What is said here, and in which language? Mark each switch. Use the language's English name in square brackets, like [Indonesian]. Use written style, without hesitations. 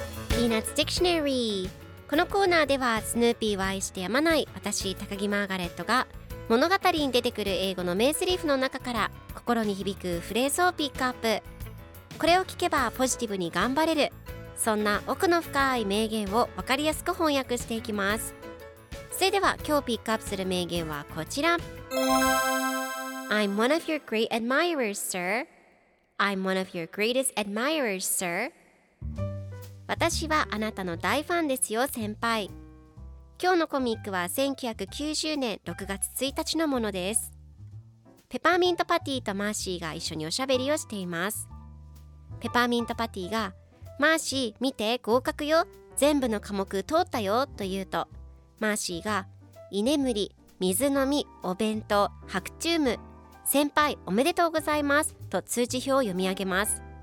[Japanese] ピーナッツ・ディクショナリー。このコーナーではスヌーピーを愛してやまない私高木マーガレットが、物語に出てくる英語の名セリフの中から心に響くフレーズをピックアップ。これを聞けばポジティブに頑張れる、そんな奥の深い名言を分かりやすく翻訳していきます。それでは今日ピックアップする名言はこちら。 [English] I'm one of your great admirers, sir. I'm one of your greatest admirers, sir. [Japanese] 私はあなたの大ファンですよ、先輩。今日のコミックは1990年6月1日のものです。ペパーミントパティとマーシーが一緒におしゃべりをしています。ペパーミントパティが、マーシー見て合格よ、全部の科目通ったよと言うと、マーシーが、居眠り、水飲み、お弁当、白昼夢、先輩おめでとうございますと通知表を読み上げます。